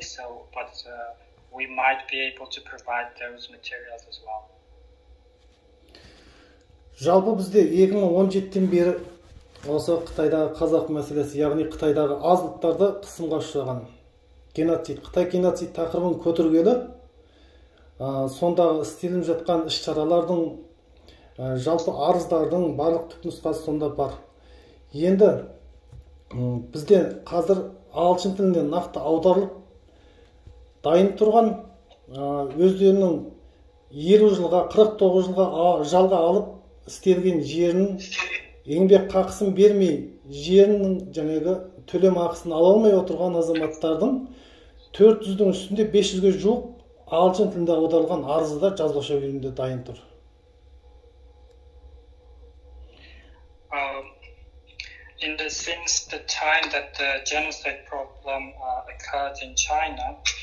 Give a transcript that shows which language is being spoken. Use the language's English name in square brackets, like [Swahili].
[English] So, but we might be able to provide those materials as well. [Kazakh] Жалпы бізде 2017-тен бері осы Қытайдағы қазақ мәселесі, яғни Қытайдағы аз ұлттарды қысымға ұшыраған геноцид, Қытай геноцид тақырыбын көтергелі, сондағы істеліп жатқан іс-шаралардың, жалпы арыздардың барлық түпнұсқасы сонда бар. Енді бізде қазір ағылшын тілінде нақты аударылып дайын тұрған, өздерінің 50 жылға, 49 жылға жалға алып істелген жерінің еңбек қақысын бермей, жерінің жаңағы төлем ақысын ала алмай отырған азаматтардың 400-дің үстінде 500-ге жуық ағылшын тілінде аударылған арызы да жазбаша күйінде дайын тұр. [English] Since the time that the genocide problem occurred in China,